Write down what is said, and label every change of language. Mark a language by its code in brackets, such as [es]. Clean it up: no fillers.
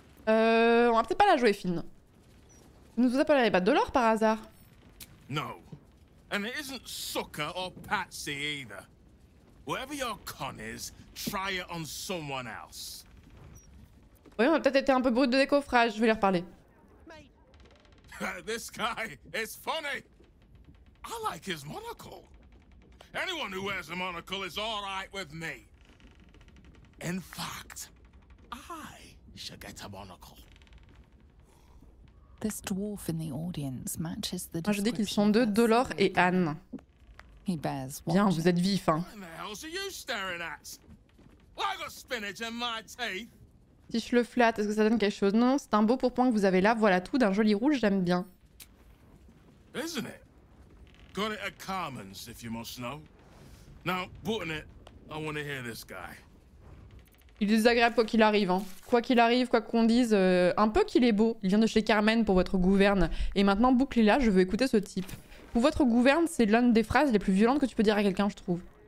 [fr] On va peut-être pas la jouer fine. Vous ne vous appellerez pas Dolor par hasard? Non. [en] And it isn't Sucker or Patsy either. Whatever your con is, try it on someone else. [fr] Oui, on a peut-être été un peu brut de décoffrage, je vais lui reparler. [en] This guy is funny. I like his monocle. Anyone who wears a monocle is all right with me. In fact, I should get a monocle. This dwarf in the audience matches the. [fr] Moi, je dis qu'ils sont deux, Dolor et Anne. [en] He bears. [fr] Bien, vous êtes vif, hein. [en] What the hell are you staring at? I got spinach in my teeth. [fr] Si je le flatte, est-ce que ça donne quelque chose? Non, c'est un beau pourpoint que vous avez là, voilà tout, d'un joli rouge, j'aime bien. [en] Isn't it? Got it at Carmen's, if you must know. Now, putting it, I want to hear this guy. [fr] Il est désagréable quoi qu'il arrive, hein. Quoi qu'il arrive, quoi qu'on dise, un peu qu'il est beau. Il vient de chez Carmen pour votre gouverne. Et maintenant, bouclez-la, je veux écouter ce type. Pour votre gouverne, c'est l'une des phrases les plus violentes que tu peux dire à quelqu'un, je trouve.